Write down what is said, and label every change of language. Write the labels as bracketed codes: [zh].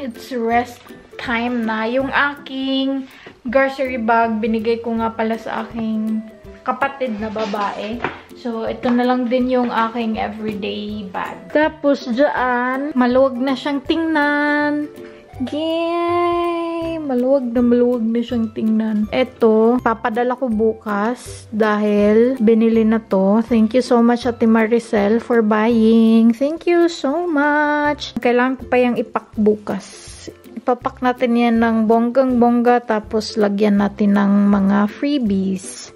[en] It's rest time [tl] na. Yung aking grocery bag, binigay ko nga pala sa aking kapatid na babae. So, ito na lang din yung aking everyday bag. Tapos dyan, maluwag na siyang tingnan. Yay! Maluwag na siyang tingnan. Ito, papadala ko bukas dahil binili na to. [en] Thank you so much, Ate Maricel, for buying. Thank you so much! [tl] Kailangan ko pa yung ipak bukas. Ipapak natin yan ng bonggang-bongga tapos lagyan natin ng mga freebies.